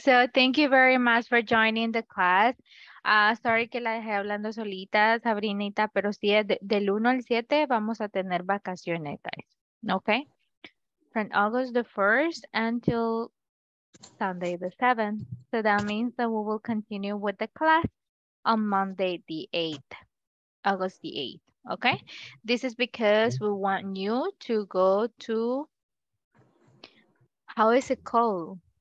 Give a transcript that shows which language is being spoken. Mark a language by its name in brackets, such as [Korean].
[English] So thank you very much for joining the class. [Spanish] Sorry que la dejé hablando solita, Sabrinita, pero sí, del 1 al 7 vamos a tener vacaciones, guys. [English] Okay? From August the 1st until Sunday the 7th. So that means that we will continue with the class on Monday the 8th, August the 8th. Okay? This is because we want you to go to, how is it called?